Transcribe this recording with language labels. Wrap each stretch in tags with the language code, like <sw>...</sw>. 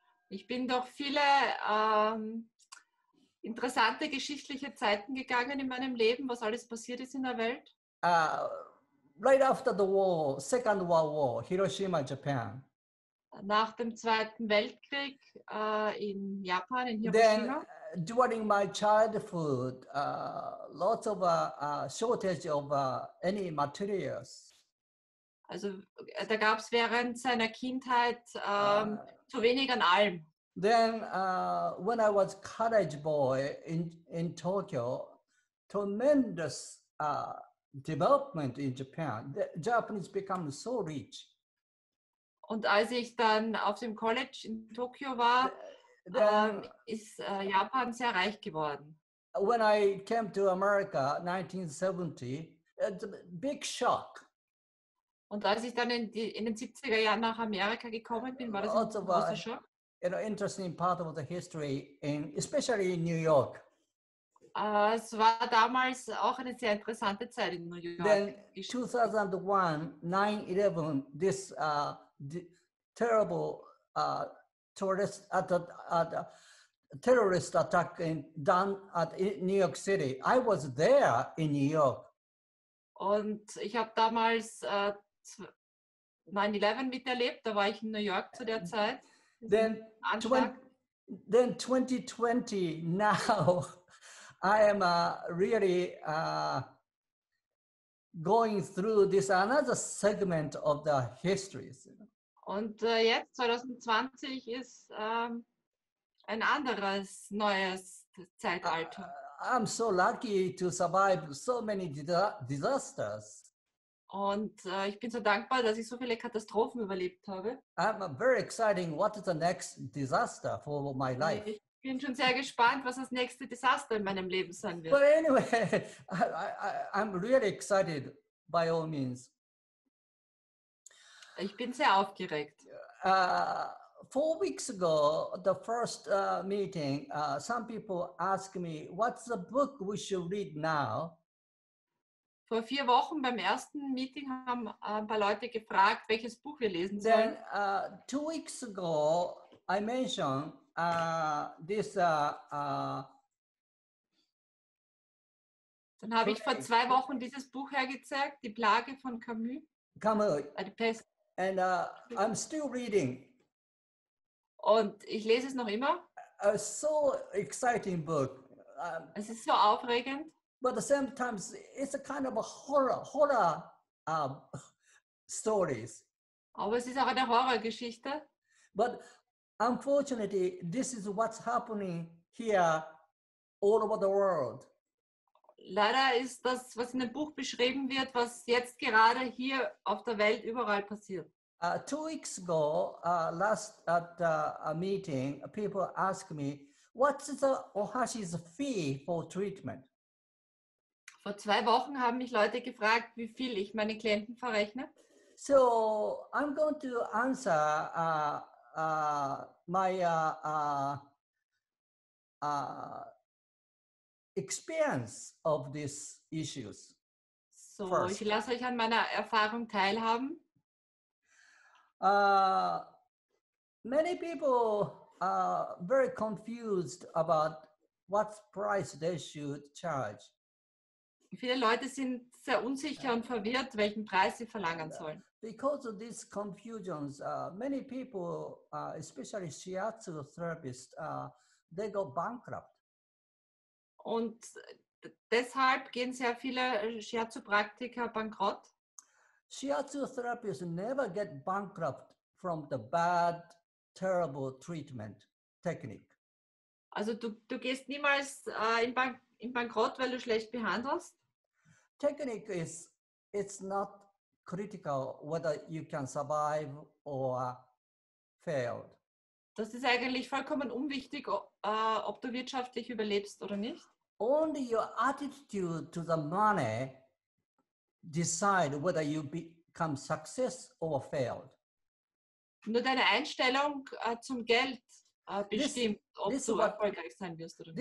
<de>Ich bin durch viele interessante geschichtliche Zeiten gegangen in meinem Leben, was alles passiert ist in der Welt.</de> <en>Right after the war, Second World War, Hiroshima, Japan.</en> <de>Nach dem Zweiten Weltkrieg in Japan, in Hiroshima.</de> <en>Then, during my childhood, lots of shortage of any materials.</en> <de>Also, da gab es während seiner Kindheit zu wenig an allem.</de> <en>Then, when I was a college boy in Tokyo, tremendous development in Japan. The Japanese become so rich.</en> <de>Und als ich dann auf dem College in Tokio war, ist Japan sehr reich geworden.</de> <en>When I came to America 1970, it's a big shock.</en> <de>Und als ich dann in den 70er Jahren nach Amerika gekommen bin, war das ein</de> <en>Lots of</en> <de>großer Schock.</de> <en>interesting part of the history in especially in New York.</en> <de>Es war damals auch eine sehr interessante Zeit in New York.</de> <en>Then 2001, 9/11, this terrible terrorist attack done at New York City. I was there in New York.</en> <de>Und ich habe damals 9/11 miterlebt, da war ich in New York zu der Zeit, diesen Anschlag.</de> <en>2020, now I am really going through this another segment of the histories.</en> <de>Und jetzt 2020 ist ein anderes neues Zeitalter.</de> <en>I'm so lucky to survive so many disasters.</en> <de>Und ich bin so dankbar, dass ich so viele Katastrophen überlebt habe.</de> <en>I'm very excited. What is the next disaster for my life?</en> <de>Ich bin schon sehr gespannt, was das nächste Desaster in meinem Leben sein</de> <en>But</en> <de>wird.</de> <en>anyway, I'm really excited by all means.</en> <de>Ich bin sehr aufgeregt.</de> <en>4 weeks ago, the first meeting, some people asked me, what's the book we should read now?</en> <de>Vor 4 Wochen beim ersten Meeting haben ein paar Leute gefragt, welches Buch wir lesen sollen.</de> <en>Then 2 weeks ago, I mentioned this</en> <de>Dann habe ich vor 2 Wochen dieses Buch hergezeigt, die Plage von Camus,</de> <en>Camus.</en> <de>die Pest.</de> <en>And I'm still reading.</en> <de>Und ich lese es noch immer.</de> <en>A so exciting book.</en> <de>Es ist so aufregend.</de> <en>But at the same time, it's a kind of a horror stories.</en> <de>Aber es ist auch eine Horrorgeschichte.</de> <en>But unfortunately, this is what's happening here all over the world.</en> <de>Leider ist das, was in dem Buch beschrieben wird, was jetzt gerade hier auf der Welt überall passiert.</de> <en>2 weeks ago, last at a meeting, people asked me, what's the OHASHI's fee for treatment?</en> <de>Vor 2 Wochen haben mich Leute gefragt, wie viel ich meine Klienten verrechne.</de> <en>So, I'm going to answer my experience of these issues. So, first.</en> <de>Ich lasse euch an meiner Erfahrung teilhaben.</de> <en>Many people are very confused about what price they should charge.</en> <de>Viele Leute sind sehr unsicher und verwirrt, welchen Preis sie verlangen sollen.</de> <en>Because of these confusions, many people, especially Shiatsu therapists, they go bankrupt.</en> <de>Und deshalb gehen sehr viele Shiatsu-Praktiker bankrott.</de> <en>Shiatsu therapists never get bankrupt from the bad, terrible treatment technique.</en> <de>Also du gehst niemals in Bankrott, weil du schlecht behandelst?</de> <en>Technique is, it's not critical whether you can survive or fail.</en> <de>Das ist eigentlich vollkommen unwichtig, ob du wirtschaftlich überlebst oder nicht.</de> <en>Only your attitude to the money decide whether you become success or failed.</en> <de>Nur deine Einstellung zum Geld bestimmt, ob du erfolgreich sein wirst oder nicht.</de>